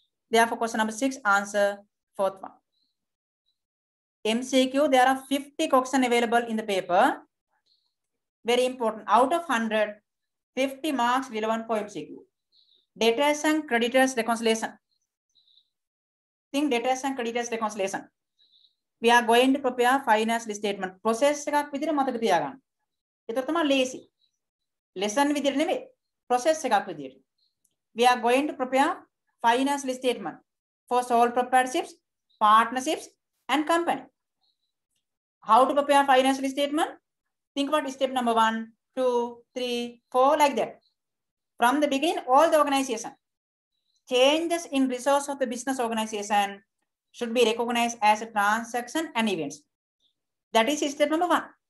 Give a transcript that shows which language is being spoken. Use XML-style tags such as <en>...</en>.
<en>Therefore, question number 6, answer fourth one. MCQ, there are 50 questions available in the paper. Very important. Out of 100, 50 marks relevant for MCQ. Debtors and creditors reconciliation. Think debtors and creditors reconciliation. We are going to prepare financial statement.</en> <si>Process එකක් විදිහට මතක තියාගන්න. ඒතර තමයි ලේසි. Lesson විදිහට නෙමෙයි. Process එකක් විදිහට.</si> <en>We are going to prepare financial statement for sole proprietorships, partnerships and company. How to prepare financial statement? Think about step number 1, 2, 3, 4 like that. From the beginning, all the organization changes in resource of the business organization should be recognized as a transaction and events. That is step number 1.</en>